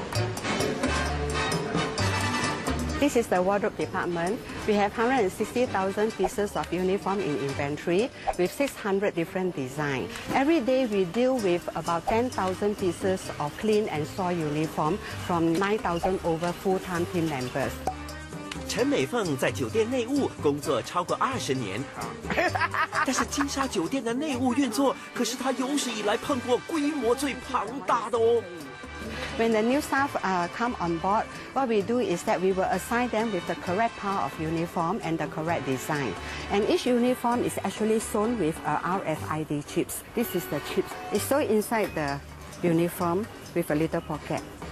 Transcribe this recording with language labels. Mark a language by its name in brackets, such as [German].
[Chinese] 服务至上的综合娱乐城，即使幕后的运作也是每天24小时无间断的哦。 [English] This is the wardrobe department. We have 160,000 pieces of uniform in inventory with 600 different designs. Every day we deal with about 10,000 pieces of clean and soiled uniform from 9,000 over full-time team members. [Chinese] 陈美凤在酒店内务工作超过20年，但是金沙酒店的内务运作可是她有史以来碰过规模最庞大的哦。 [English] When the new staff come on board, what we do is that we will assign them with the correct part of uniform and the correct design. And each uniform is actually sewn with RFID chips. This is the chips. It's sewn inside the uniform with a little pocket.